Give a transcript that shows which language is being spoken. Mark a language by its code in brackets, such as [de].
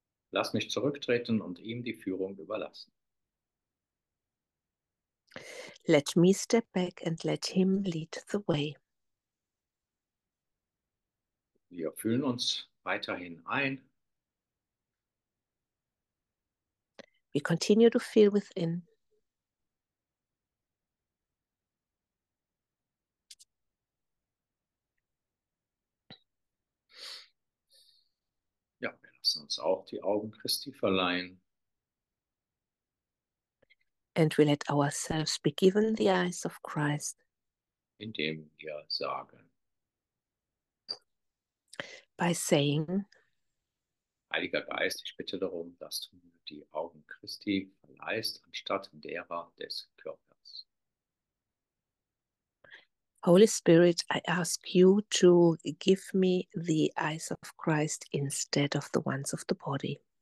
[de] Lass mich zurücktreten und ihm die Führung überlassen. [en] Let me step back and let him lead the way. [de] Wir fühlen uns weiterhin ein. [en] We continue to feel within. [de] Uns auch die Augen Christi verleihen. [en] And we let ourselves be given the eyes of Christ. [de] Indem wir sagen. [en] By saying. [de] Heiliger Geist, ich bitte darum, dass du die Augen Christi verleihst anstatt derer des Körpers. [en] Holy Spirit, I ask you to give me the eyes of Christ instead of the ones of the body.